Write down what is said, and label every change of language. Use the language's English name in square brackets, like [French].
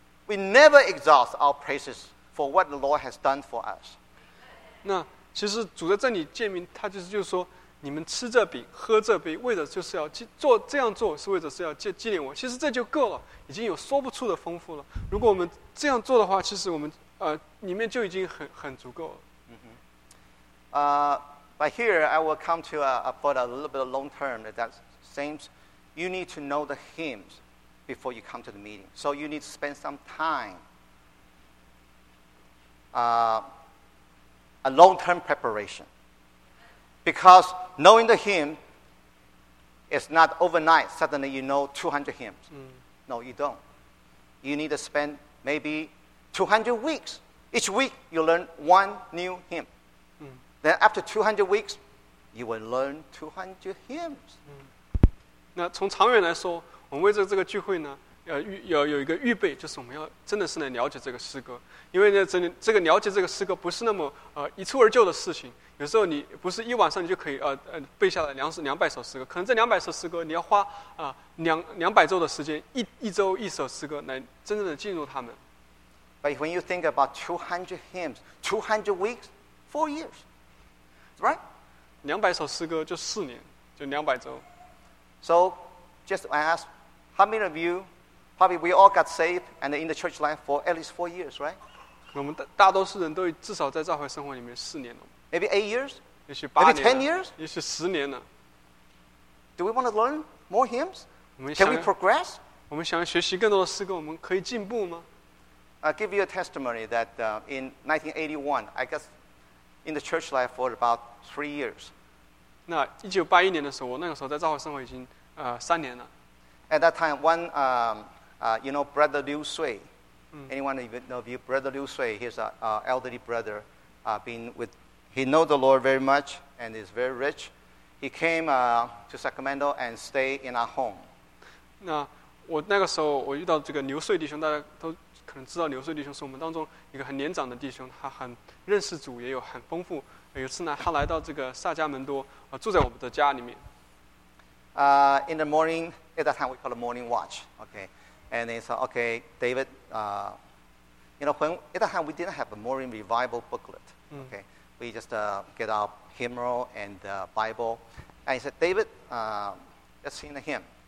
[English] We never exhaust our praises for what the Lord has done for us. [Chinese] 那其实主的这里诫命，他就是说，你们吃这饼，喝这杯，为的就是要做这样做，是为的是要纪念我。其实这就够了，已经有说不出的丰富了。如果我们这样做的话，其实我们里面就已经很足够了。 [English] But here I will come to about a little bit of long term that seems you need to know the hymns before you come to the meeting. So you need to spend some time, a long term preparation. Because knowing the hymn is not overnight, suddenly you know 200 hymns. No, you don't. You need to spend maybe 200 weeks. Each week you learn one new hymn. Then after 200 weeks, you will learn 200 hymns. [Chinese] 那从长远来说，我们为着这个聚会呢，要有一个预备，就是我们要真的是来了解这个诗歌。因为呢，这个了解这个诗歌不是那么一蹴而就的事情。有时候你不是一晚上你就可以背下来两百首诗歌，可能这200首诗歌你要花两百周的时间，一周一首诗歌来真正的进入他们。 [English] But when you think about 200 hymns, 200 weeks, 4 years. Right? [Chinese] 200首诗歌就四年，就200周。 [English] So, just I ask, how many of you, probably we all got saved and in the church life for at least 4 years, right? [Chinese] 我们大多数人都至少在教会生活里面四年了。 [English] Maybe 8 years? [Chinese] 也许八年。 [English] Maybe 10 years? [Chinese] 也许十年了。 [English] Do we want to learn more hymns? Can we progress? [Chinese] 我们想学习更多的诗歌，我们可以进步吗？ [English] I'll give you a testimony that in 1981, I guess,in the church life for about 3 years. [Chinese] 那1981年的时候，我那个时候在教会生活已经3年了。 [English] At that time, one, you know, Brother Liu Sui. Anyone know you, Brother Liu Sui? He's an elderly brother, he knows the Lord very much and is very rich. He came to Sacramento and stayed in our home. [Chinese] 那我那个时候我遇到这个刘穗弟兄，大家都。可能知道刘穗弟兄是我们当中一个很年长的弟兄，他很认识主，也有很丰富。有次呢，他来到这个萨迦门多，住在我们的家里面。 [English] In the morning, at that time we call the morning watch, okay? And they said, okay, David, you know, when at that time we didn't have a morning revival booklet, okay? We just get our hymnal and the Bible, and he said, David, let's sing a hymn.